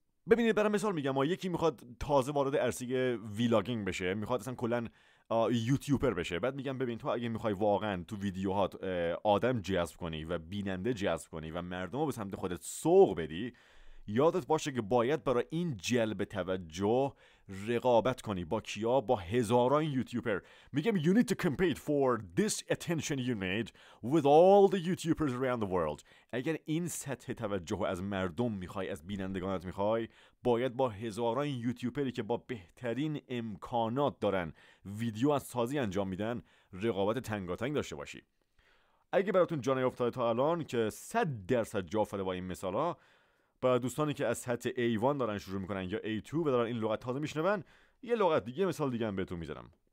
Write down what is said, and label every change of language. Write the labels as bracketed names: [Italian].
[Persian] ببینید برای مثال میگم، ما یکی میخواد تازه وارد عرصه ویلاگینگ بشه، میخواد اصلا کلا یوتیوبر بشه، بعد میگم ببین تو اگه میخوای واقعا تو ویدیوهات آدم جذب کنی و بیننده جذب کنی و مردم رو به سمت خودت سوق بدی، یادت باشه که باید برای این جلب توجه رقابت کنی. با کیا؟ با هزاران یوتیوبر. میگم [English] you need to compete for this attention you need with all the youtubers around the world. [Persian] اگر این سطح توجه از مردم میخوای، از بینندگانت میخوای، باید با هزاران یوتیوبری که با بهترین امکانات دارن ویدیو از سازی انجام میدن رقابت تنگاتنگ داشته باشی. اگه براتون جانه افتاده تا الان که 100% جا افتاده با این مثالا، با دوستانی که از سطح A1 دارن شروع میکنن یا A2 و دارن این لغت تازه میشنون، یه لغت دیگه، مثال دیگه هم بهتون میذارم.